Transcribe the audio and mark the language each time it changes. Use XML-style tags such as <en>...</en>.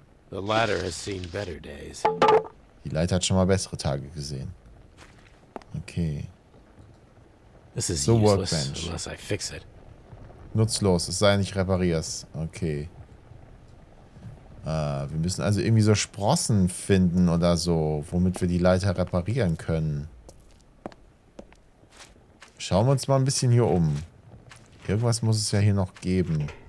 <en>The ladder has seen better days.</en> <de>Die Leiter hat schon mal bessere Tage gesehen. Okay.</de> <en>This is useless unless I fix it.</en> <de>Nutzlos, es sei denn, ich repariere es. Okay. Wir müssen also irgendwie so Sprossen finden oder so, womit wir die Leiter reparieren können. Schauen wir uns mal ein bisschen hier um. Irgendwas muss es ja hier noch geben.</de>